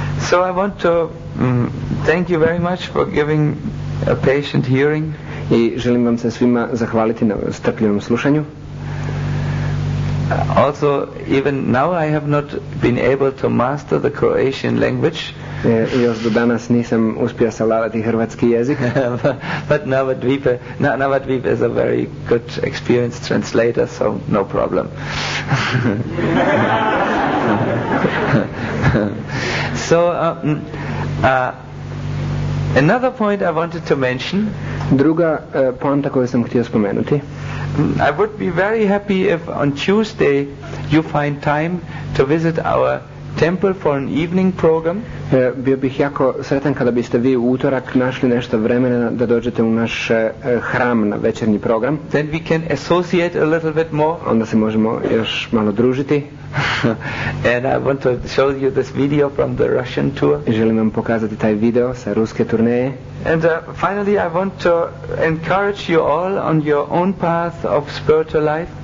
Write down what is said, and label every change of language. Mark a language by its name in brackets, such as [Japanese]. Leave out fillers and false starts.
[English] So I want to thank you very much for giving a patient hearing. [Croatian] I želim vam se svima zahvaliti na strpljivom slušanju. [English] Also, even now I have not been able to master the Croatian language. [Croatian] Još do danas nisam uspio savladati hrvatski jezik. [English] But Navadvipa is a very good experienced translator, so no problem. So, another point I wanted to mention. [Croatian] Druga poanta koju sam htio spomenuti. [English] I would be very happy if on Tuesday you find time to visit our temple for an evening program. [Croatian] Bio bih jako sretan kada biste vi u utorak našli nešto vremena da dođete u naš hram na večernji program. [English] Then we can associate a little bit more. [Croatian] Onda se možemo još malo družiti. [English] And I want to show you this video from the Russian tour. [Croatian] Želim vam pokazati taj video sa ruske turneje. [English] And finally I want to encourage you all on your own path of spiritual life.